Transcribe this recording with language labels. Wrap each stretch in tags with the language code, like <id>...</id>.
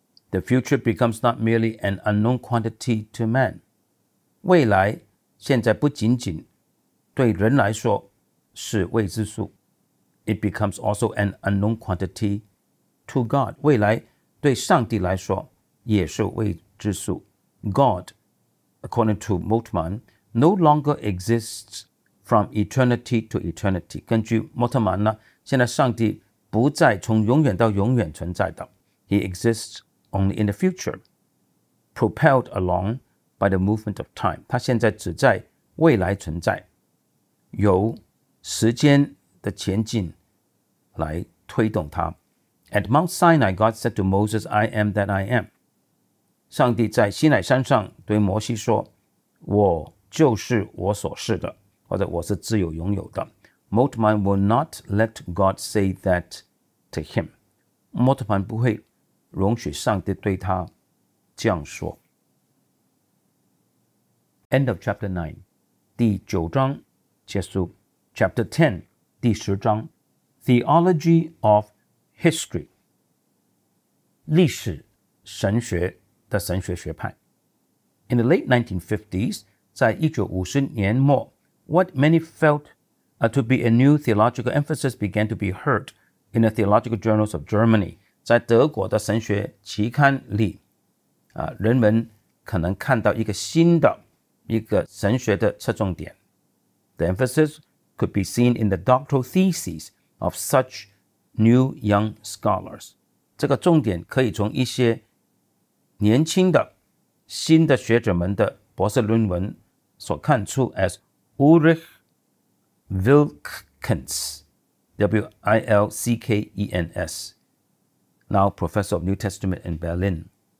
<en>The future becomes not merely an unknown quantity to man.</en> <zh>未来现在不仅仅对人来说是未知数。</zh> <en>It becomes also an unknown quantity to God.</en> <zh>未来对上帝来说也是未知数。</zh> <en>God, according to Moltmann, no longer exists from eternity to eternity.</en> <zh>根据 Moltmann 呢，现在上帝不再从永远到永远存在的。</zh> <en>He exists only in the future, propelled along by the movement of time.</en> <zh>他现在只在未来存在，由时间的前进来推动他。</zh> <en>At Mount Sinai, God said to Moses, I am that I am.</en> <zh>上帝在西乃山上对摩西说，我就是我所是的，或者我是自由拥有的。</zh> <en>Moltmann will not let God say that to him.</en> <zh>Moltmann 不会容许上帝对他这样说。</zh> <en>End of chapter 9,</en> <zh>第九章结束。</zh> <en>Chapter 10,</en> <zh>第十章</zh> <en>Theology of History,</en> <zh>历史神学的神学学派。</zh> <en>In the late 1950s,</en> <zh>在1950年末</zh> <en>what many feltto be a new theological emphasis began to be heard in the theological journals of Germany.</en> <zh>在德国的神学期刊里、啊、人们可能看到一个新的一个神学的侧重点。</zh> <en>The emphasis could be seen in the doctoral theses of such new young scholars.</en> <zh>这个重点可以从一些年轻的新的学者们的博士论文所看出</zh> <en>as UrichWilkens, W-I-L-C-K-E-N-S, now professor of New Testament in Berlin.</en>